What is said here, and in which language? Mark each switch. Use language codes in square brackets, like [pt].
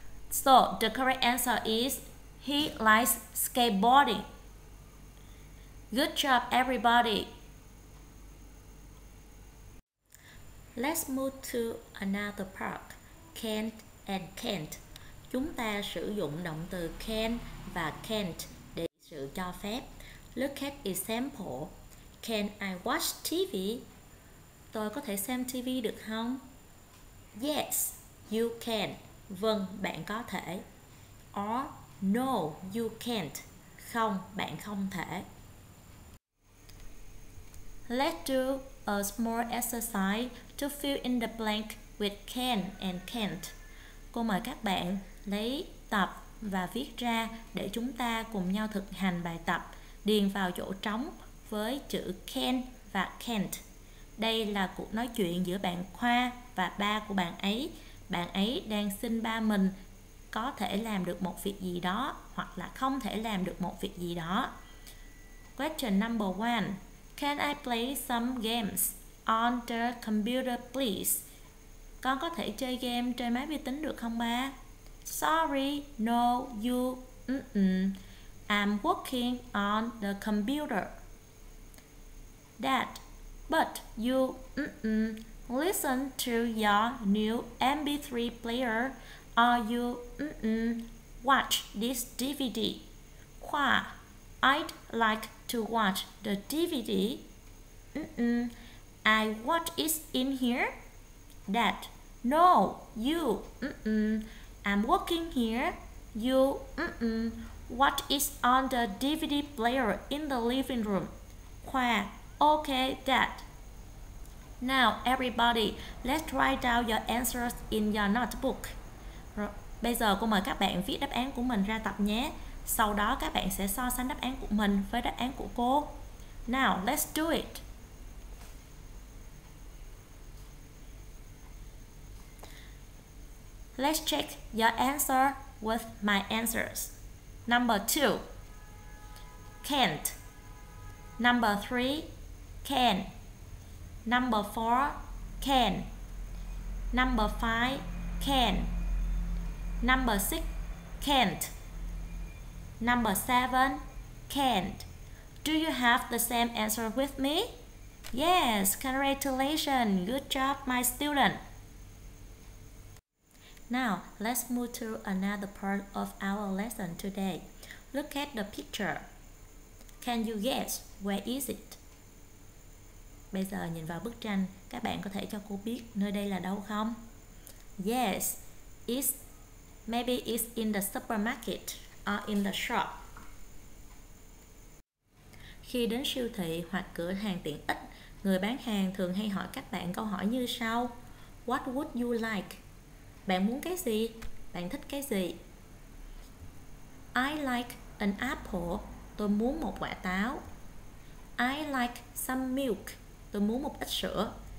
[en] So the correct answer is he likes skateboarding. Good job, everybody. Let's move to another part, can't and can't. [vi] Chúng ta sử dụng động từ can và can't để sự cho phép. [en] Look at example. Can I watch TV? [vi] Tôi có thể xem TV được không? [en] Yes, you can. [vi] Vâng, bạn có thể. [en] Or no, you can't. [vi] Không, bạn không thể. [en] Let's do a small exercise to fill in the blank with can and can't. [vi] Cô mời các bạn lấy tập và viết ra để chúng ta cùng nhau thực hành bài tập. Điền vào chỗ trống với chữ can và can't. Đây là cuộc nói chuyện giữa bạn Khoa và ba của bạn ấy. Bạn ấy đang xin ba mình có thể làm được một việc gì đó hoặc là không thể làm được một việc gì đó. [en] Question number one. Can I play some games on the computer, please? [vi] Con có thể chơi game trên máy vi tính được không ba? [en] Sorry, no, you, I'm working on the computer. Dad, but you listen to your new MP3 player or you watch this DVD. Khoa, I'd like to watch the DVD. I watch it in here. Dad, no, you I'm working here. You watch it on the DVD player in the living room. Khoa, okay, Dad. Now, everybody, let's write down your answers in your notebook. [vi] Bây giờ cô mời các bạn viết đáp án của mình ra tập nhé. Sau đó các bạn sẽ so sánh đáp án của mình với đáp án của cô. [en] Now, let's do it. Let's check your answer with my answers. Number 2, can't. Number 3, can. Number 4, can. Number 5, can. Number 6, can't. Number 7, can't. Do you have the same answer with me? Yes, congratulations. Good job, my student. Now, let's move to another part of our lesson today. Look at the picture. Can you guess where is it? [vi] Bây giờ nhìn vào bức tranh, các bạn có thể cho cô biết nơi đây là đâu không? [en] Yes, maybe it's in the supermarket or in the shop. [vi] Khi đến siêu thị hoặc cửa hàng tiện ích, người bán hàng thường hay hỏi các bạn câu hỏi như sau. [en] What would you like? [vi] Bạn muốn cái gì? Bạn thích cái gì? [en] I like an apple. [vi] Tôi muốn một quả táo. [en] I like some milk. [vi] Tôi muốn một ít sữa.